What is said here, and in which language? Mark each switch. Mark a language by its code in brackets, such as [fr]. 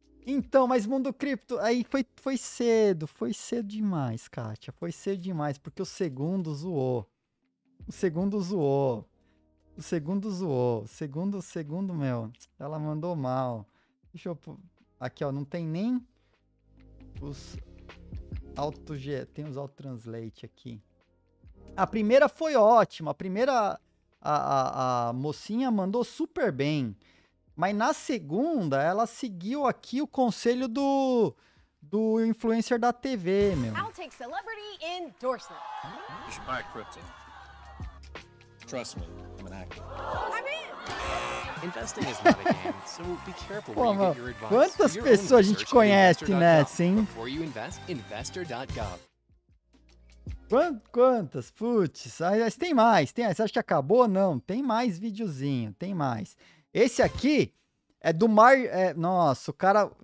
[pt] Então, mas mundo cripto, aí foi cedo demais, Kátia, foi cedo demais, porque o segundo zoou, o segundo zoou, o segundo zoou, o segundo, meu, ela mandou mal, deixa eu, aqui ó, não tem nem os auto, tem os auto translate aqui, a primeira foi ótima, a primeira, a mocinha mandou super bem. Mas na segunda, ela seguiu aqui o conselho do influencer da TV, meu. [en] I'll take celebrity endorsement. You should buy crypto. Trust me, I'm an actor. I'm in. Investing is not a game, so be careful when you get your advice. [pt] Quantas pessoas a gente conhece nessa, hein? [en] Before you invest, investor.gov. [pt] Quantas? Putz, tem mais. Tem, você acha que acabou? Não, tem mais videozinho, tem mais. Esse aqui é do mar. É, nossa, o cara.